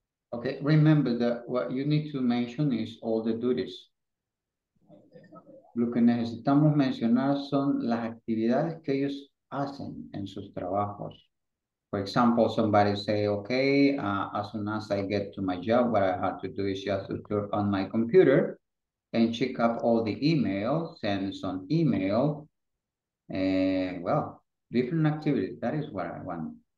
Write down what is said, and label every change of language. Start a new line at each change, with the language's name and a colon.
English: Okay, remember that what you need to mention is all the duties.
Spanish: Lo que necesitamos mencionar son las actividades que ellos hacen en sus trabajos.
English: For example, somebody say, okay, as soon as I get to my job, what I have to do is just to turn on my computer and check up all the emails, send some email, and well, different activities. That is what I want.